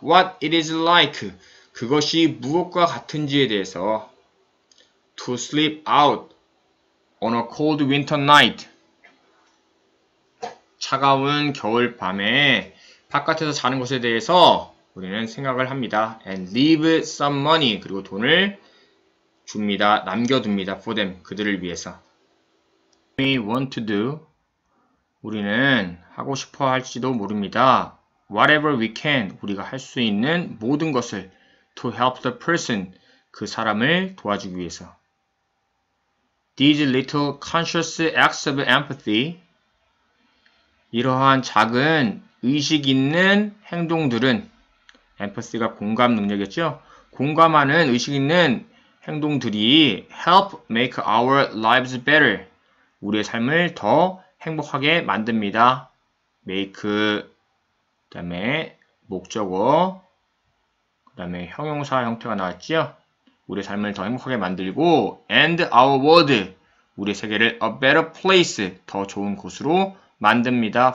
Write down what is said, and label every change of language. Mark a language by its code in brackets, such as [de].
[en] What it is like, [ko] 그것이 무엇과 같은지에 대해서 [en] to sleep out on a cold winter night, [ko] 차가운 겨울 밤에 바깥에서 자는 것에 대해서 우리는 생각을 합니다. [en] And leave some money, [ko] 그리고 돈을 줍니다. 남겨둡니다. [en] For them, [ko] 그들을 위해서. [en] We want to do, [ko] 우리는 하고 싶어 할지도 모릅니다. [en] Whatever we can, [ko] 우리가 할 수 있는 모든 것을 [en] to help the person, [ko] 그 사람을 도와주기 위해서. [en] These little conscious acts of empathy, [ko] 이러한 작은 의식 있는 행동들은 empathy가 공감 능력이었죠. 공감하는 의식 있는 행동들이 [en] help make our lives better. [ko] 우리의 삶을 더 행복하게 만듭니다. make, 그 다음에 목적어, 그 다음에 형용사 형태가 나왔지요? 우리의 삶을 더 행복하게 만들고, [en] and our world, [ko] 우리의 세계를 [en] a better place, [ko] 더 좋은 곳으로 만듭니다.